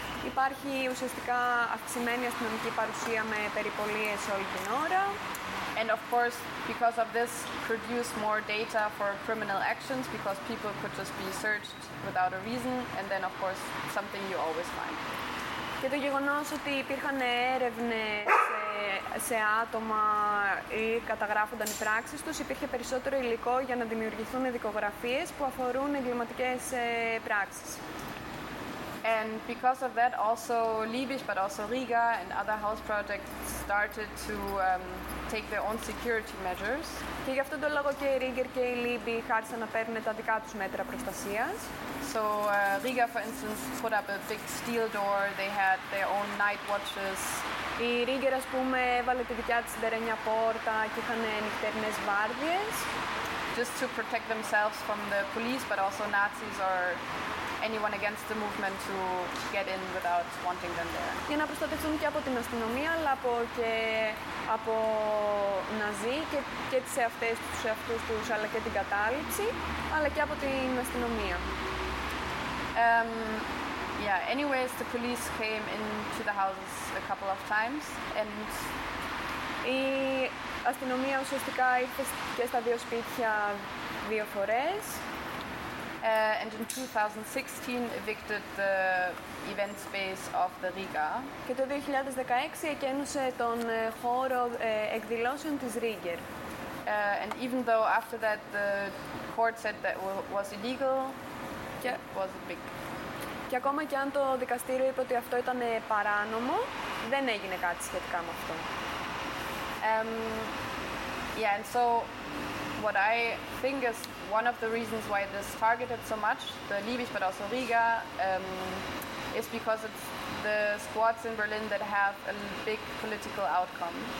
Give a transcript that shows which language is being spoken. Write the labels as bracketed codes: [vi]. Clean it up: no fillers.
[el] Υπάρχει ουσιαστικά αυξημένη αστυνομική παρουσία με περιπολίες όλη την ώρα. [en] And of course because of this produce more data for criminal actions because people could just be searched without a reason and then of course something you always find. [el] Και το γεγονός ότι υπήρχαν έρευνες σε άτομα ή καταγράφονταν οι πράξεις τους, υπήρχε περισσότερο υλικό για να δημιουργηθούν δικογραφίες που αφορούν εγκληματικές πράξεις. [en] And because of that also Liebig but also Riga and other house projects started to take their own security measures. [el] Και γι' αυτόν τον λόγο και η Ρίγκερ και η Λίμπη χάρισαν να παίρνουν τα δικά τους μέτρα προστασίας. [en] So Riga, for instance, put up a big steel door. They had their own night watches. [el] Η Ρίγκερ, ας πούμε, έβαλε τη δικιά της σιδερένια πόρτα και είχαν νυχτερινές βάρδιες. [en] Just to protect themselves from the police, but also Nazis or anyone against the movement to get in without wanting them there. [el] Για να προστατευτούν και από την αστυνομία, αλλά και από Ναζί και τις εαυτές τους εαυτούς τους, αλλά και την κατάληψη, αλλά και από την αστυνομία. [en] Yeah, anyways, the police came into the houses a couple of times and... [el] Η αστυνομία ουσιαστικά ήρθε και στα δύο σπίτια δύο φορές. [en] And in 2016 evicted the event space of the Riga. [el] Και το 2016 εκένωσε τον χώρο εκδηλώσεων της Ρίγκερ. [en] And even though after that the court said that was illegal, yeah. It was a big... [el] Και ακόμα και αν το δικαστήριο είπε ότι αυτό ήταν παράνομο, δεν έγινε κάτι σχετικά με αυτό. [en] Yeah, and so what I think is one of the reasons why this targeted so much, the Liebig but also Riga, is because it's the squads in Berlin that have a big political outcome.